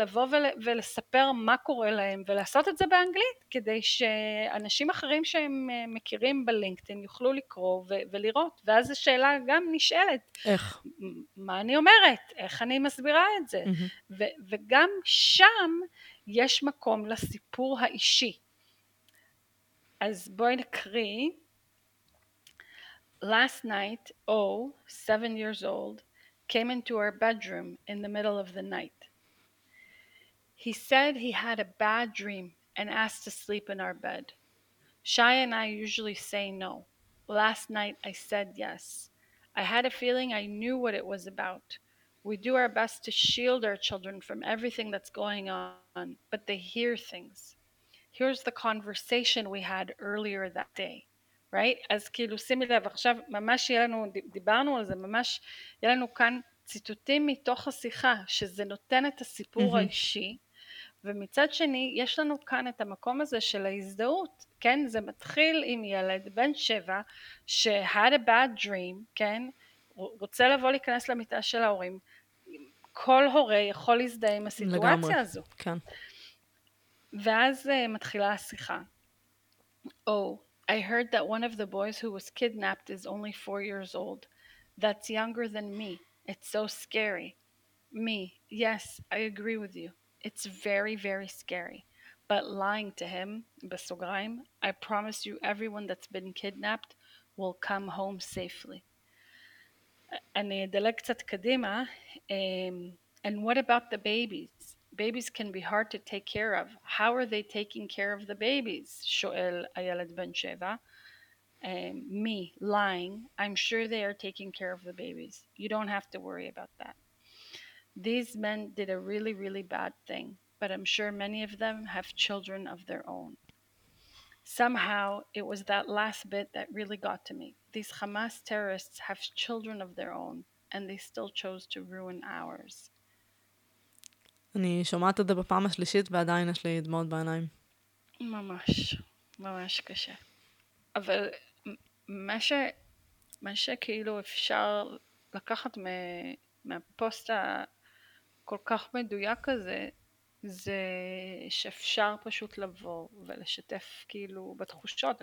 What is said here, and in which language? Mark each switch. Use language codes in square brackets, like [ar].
[he] לבוא ולספר מה קורה להם ולעשות את זה באנגלית, כדי שאנשים אחרים שהם מכירים בלינקדאין יוכלו לקרוא ולראות. ואז השאלה גם נשאלת, איך? מה אני אומרת? איך אני מסבירה את זה? וגם שם יש מקום לסיפור האישי. אז בואי נקריא. [en] Last night, O, 7 years old, came into our bedroom in the middle of the night. He said he had a bad dream and asked to sleep in our bed. Shai and I usually say no. Last night I said yes. I had a feeling I knew what it was about. We do our best to shield our children from everything that's going on, but they hear things. Here's the conversation we had earlier that day. Right? [he] אז כאילו, שימי לב, עכשיו ממש יהיה לנו, דיברנו על זה, ממש יהיה לנו כאן ציטוטים מתוך השיחה, שזה נותן את הסיפור האישי, ומצד שני, יש לנו כאן את המקום הזה של ההזדהות, כן? זה מתחיל עם ילד בן 7, ש- [en] had a bad dream, [he] כן? רוצה לבוא להיכנס למיטה של ההורים, כל הורה יכול להזדהה עם הסיטואציה לגמרי. הזו. כן. ואז מתחילה השיחה. [en] I heard that one of the boys who was kidnapped is only 4 years old. That's younger than me. It's so scary. Me. Yes, I agree with you. It's very, very scary. But lying to him, [he] בסוגריים, [en] I promise you everyone that's been kidnapped will come home safely. [he] אני אדלג קצת קדימה. [en] And what about the babies? Babies can be hard to take care of. How are they taking care of the babies? [he] שואל הילד בן 7. [en] Me, lying. I'm sure they are taking care of the babies. You don't have to worry about that. These men did a really, really bad thing, but I'm sure many of them have children of their own. Somehow, it was that last bit that really got to me. These Hamas terrorists have children of their own, and they still chose to ruin ours. [he] אני שומעת את זה בפעם השלישית, ועדיין יש לי דמעות בעיניים. ממש, ממש קשה. אבל מה שכאילו אפשר לקחת מהפוסט הכל כך מדויק הזה, זה שאפשר פשוט לבוא ולשתף כאילו בתחושות.